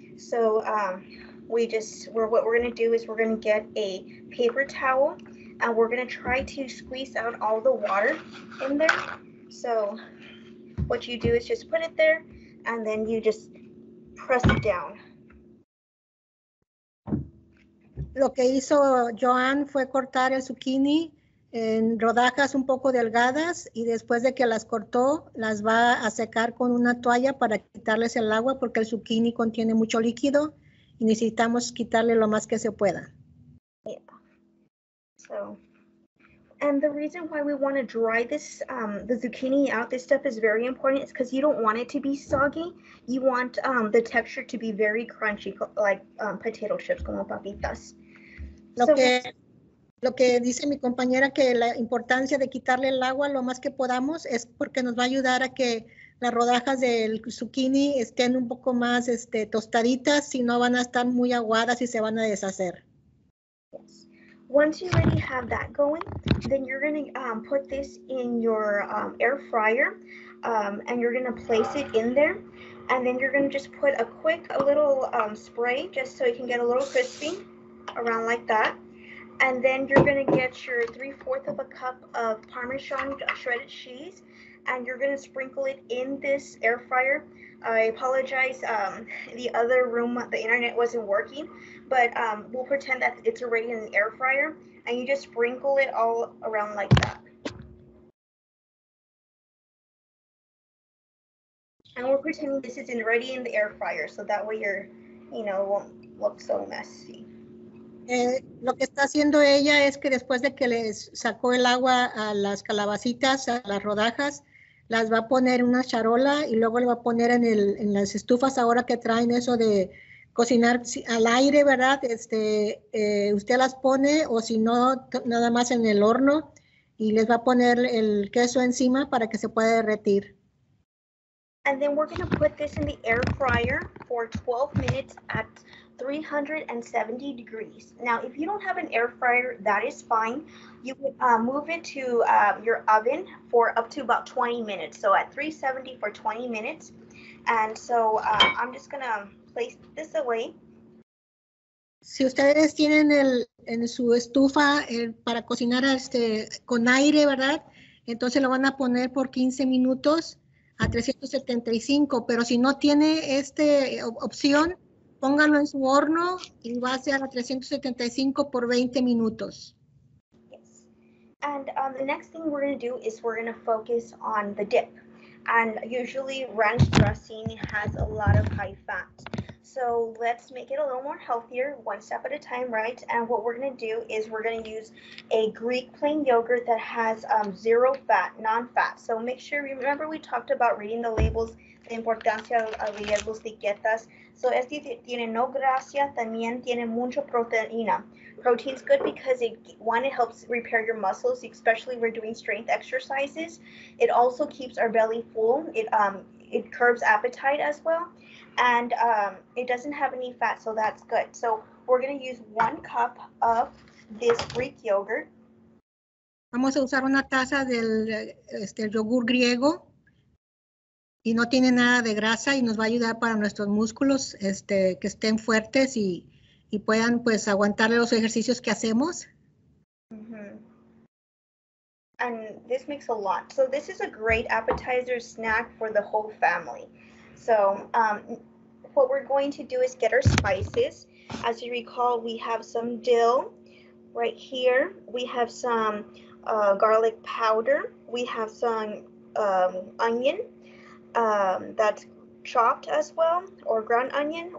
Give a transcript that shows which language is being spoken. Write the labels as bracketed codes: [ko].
[en] So what we're going to do is we're going to get a paper towel. And we're going to try to squeeze out all the water in there. So what you do is just put it there, and then you just press it down. [es] Lo que hizo Joan fue cortar el zucchini en rodajas un poco delgadas, y después de que las cortó, las va a secar con una toalla para quitarles el agua, porque el zucchini contiene mucho líquido, y necesitamos quitarle lo más que se pueda. [en] Yeah. So. And the reason why we want to dry this, the zucchini out, this stuff is very important. It's because you don't want it to be soggy. You want the texture to be very crunchy, like potato chips, como papitas. [es] Lo que dice mi compañera, que la importancia de quitarle el agua lo más que podamos es porque nos va a ayudar a que las rodajas del zucchini estén un poco más tostaditas, si no van a estar muy aguadas y se van a deshacer. [en] Yes. Once you already have that going, then you're going to put this in your air fryer, and you're going to place it in there, and then you're going to just put a quick a little spray just so it can get a little crispy around like that, and then you're going to get your 3/4 cup of Parmesan shredded cheese, and you're going to sprinkle it in this air fryer. I apologize, the other room, the internet wasn't working, but we'll pretend that it's already in the air fryer, and you just sprinkle it all around like that. And we're pretending this is already in the air fryer, so that way it won't look so messy. [es] Lo que está haciendo ella es que después de que les sacó el agua a las calabacitas, a las rodajas, las va a poner en una charola y luego le va a poner en las estufas ahora que traen eso de cocinar al aire, ¿verdad? Usted las pone o si no, nada más en el horno y les va a poner el queso encima para que se pueda derretir. [en] And then we're going to put this in the air fryer for 12 minutes at 370 degrees. Now, if you don't have an air fryer, that is fine. You can move it to your oven for up to about 20 minutes. So at 370 for 20 minutes. And so I'm just going to place this away. [es] Si ustedes tienen en su estufa para cocinar con aire, ¿verdad? Entonces lo van a poner por 15 minutos. A 375, pero si no tiene esta opción, póngalo en su horno y va a ser a 375 por 20 minutos. [en] Yes. And the next thing we're going to do is we're going to focus on the dip. And usually ranch dressing has a lot of high fat. So let's make it a little more healthier, one step at a time, right? And what we're going to do is we're going to use a Greek plain yogurt that has zero fat, non-fat. So make sure, remember we talked about reading the labels, la importancia de leer las etiquetas. [es] So este tiene no grasa, también tiene mucha proteína. [en] Protein's good because it helps repair your muscles, especially if we're doing strength exercises. It also keeps our belly full. It curbs appetite as well. And it doesn't have any fat, so that's good. So we're going to use 1 cup of this Greek yogurt. [es] Vamos a usar una taza del yogur griego. Y no tiene nada de grasa y nos va a ayudar para nuestros músculos que estén fuertes y puedan pues aguantar los ejercicios que hacemos. [en] Mm-hmm. And this makes a lot. So this is a great appetizer snack for the whole family. So what we're going to do is get our spices. As you recall, we have some dill right here. We have some garlic powder. We have some onion that's chopped as well, or ground onion.